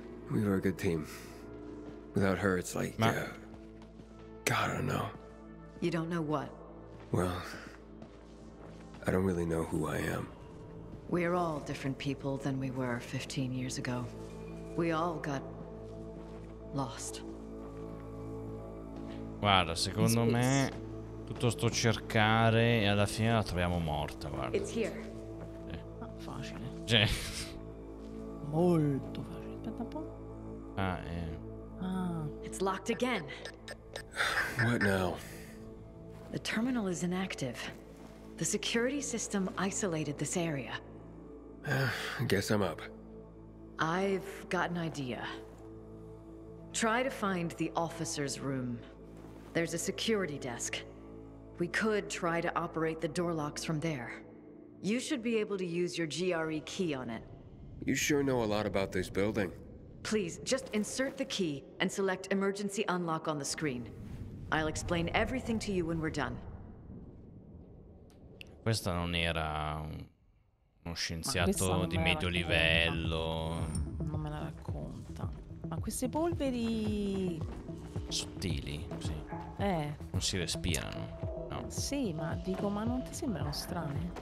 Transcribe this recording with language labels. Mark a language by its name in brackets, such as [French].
[English] We were a good team. Without her, it's like... [Italian] ma... [English] God, I don't know. You don't know what? Well... I don't really know who I am. We're all different people than we were 15 years ago. We all got lost. [Italian] Guarda, secondo me tutto sto cercare e alla fine la troviamo morta, guarda. [English] It's here. [Italian] Facile. Cioè. Molto facile. Aspetta un po'. Ah, [English] It's locked again. What now? The terminal is inactive. The security system isolated this area. Guess I'm up. I've got an idea. Try to find the officer's room. There's a security desk. We could try to operate the door locks from there. You should be able to use your GRE key on it. You sure know a lot about this building. Please, just insert the key and select emergency unlock on the screen. I'll explain everything to you when we're done. [Italian] Questa non era uno scienziato di medio livello. Non me la racconta. Ma queste polveri... sottili, sì. Non si respirano, no. Sì, ma dico, ma non ti sembrano strane?